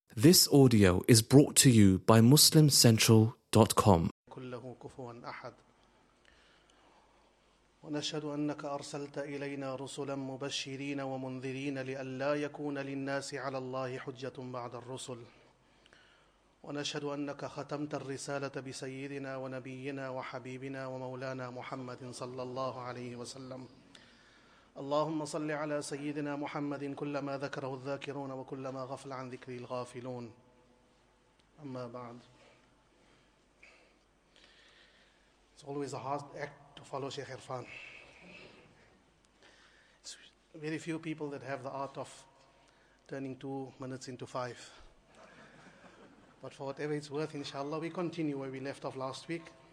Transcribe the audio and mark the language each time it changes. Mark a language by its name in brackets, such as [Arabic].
[English] This audio is brought to you by MuslimCentral.com. [Arabic] كله كفوا أحد. ونشهد أنك أرسلت إلينا رسلا مبشرين ومنذرين لئلا يكون للناس على الله حجة بعد الرسل. ونشهد أنك ختمت الرسالة بسيدنا ونبينا وحبيبنا ومولانا محمد صلى الله عليه وسلم. اللهم صل على سيدنا محمد كلما ذكره الذاكرون وكلما غفل عن ذكره الغافلون. أما بعد. [English] It's always a hard act to follow Sheikh Irfan. It's very few people that have the art of turning 2 minutes into five. But for whatever it's worth, inshallah, we continue where we left off last week.